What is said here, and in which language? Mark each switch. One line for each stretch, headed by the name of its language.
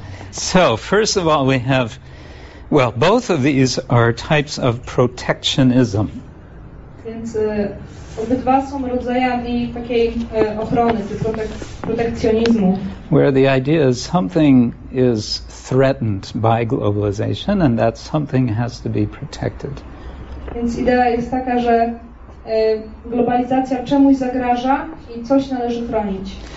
English: So, first of all, we have, well, both of these are types of protectionism.
Polish: Więc obydwa są rodzajami takiej ochrony, protekcjonizmu.
English: Where the idea is something is threatened by globalization and that something has to be protected.
Polish: Więc idea jest taka, że globalizacja czemuś zagraża i coś należy chronić.